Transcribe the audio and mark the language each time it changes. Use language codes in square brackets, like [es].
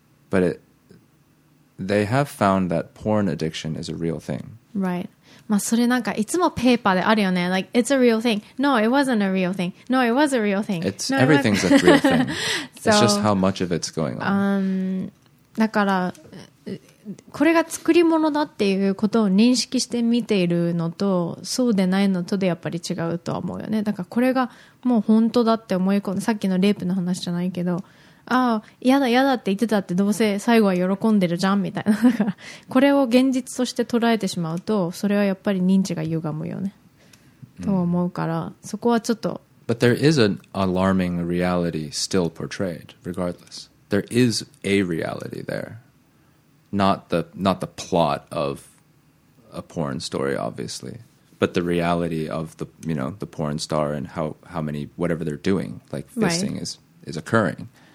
[en] But it, they have found that porn addiction is a real thing. Right. [ja] まあそれなんかいつもペーパーであるよね。 [en] Like, it's a real thing. No, it wasn't a real thing. No, it was a real thing. It's, no, everything's a real thing. so, it's just how much of it's going on. [ja] だから、これが作り物だっていうことを認識して見ているのと、そうでないのとでやっぱり違うとは思うよね。だからこれがもう本当だって思い込んで、さっきのレイプの話じゃないけど、ああ、嫌だ嫌だって言ってたってどうせ最後は喜んでるじゃんみたいな。これを現実として捉えてしまうと、それはやっぱり認知が歪むよね。と思うから、そこはちょっと。 [en] But there is an alarming reality still portrayed, regardless. There is a reality there. not the plot of a porn story, obviously, but the reality of the, you know, the porn star and how many, whatever they're doing, like fisting, right, is occurring.